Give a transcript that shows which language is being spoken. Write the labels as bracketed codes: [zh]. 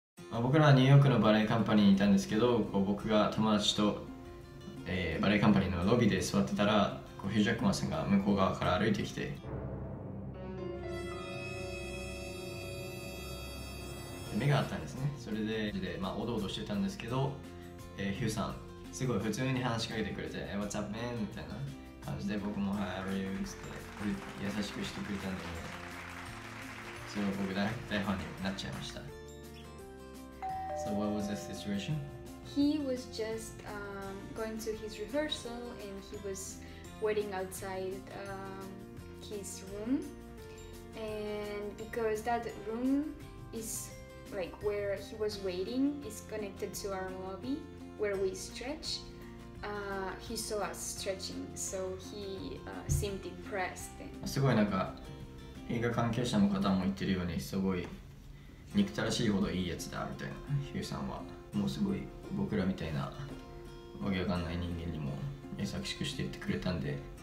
[ja] まあ、僕らはニューヨークのバレエカンパニーにいたんですけど、こう僕が友達と、バレエカンパニーのロビーで座ってたら、こうヒュー・ジャックマンさんが向こう側から歩いてきて、で目があったんですね。それで、まあ、おどおどしてたんですけど、ヒューさんすごい普通に話しかけてくれて、 [en] 「What's up, man?」 [ja] みたいな感じで僕も [en] 「How are you?」 [ja] って優しくしてくれたんで、すごい僕大ファンになっちゃいました。 [en] So what was the situation? He was just going to his rehearsal and he was waiting outside his room. And because that room is like where he was waiting is connected to our lobby where we stretch, he saw us stretching, so he seemed impressed. [ja] すごいなんか映画関係者の方も言ってるように、すごい憎たらしいほどいいやつだみたいな、ヒューさんは。もうすごい僕らみたいなわけわかんない人間にも優しくしていってくれたんで、